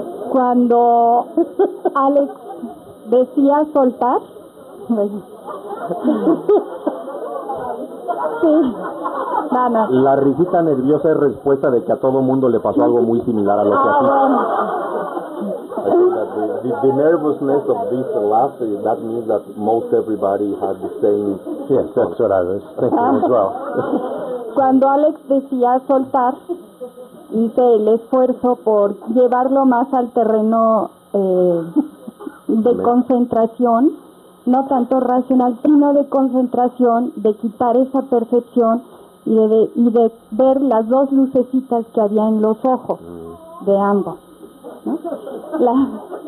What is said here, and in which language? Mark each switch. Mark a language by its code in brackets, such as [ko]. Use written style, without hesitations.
[es] Cuando Alex decía soltar, sí. No. La risita nerviosa es respuesta de que a todo mundo le pasó algo muy similar a lo que a ti. [en] The nervousness of this laughter, that means that most everybody had the same. Yes, that's what I was thinking as well. [es] Cuando Alex decía soltar, hice el esfuerzo por llevarlo más al terreno de concentración, no tanto racional, sino de concentración, de quitar esa percepción y de ver las dos lucecitas que había en los ojos de ambos, ¿no?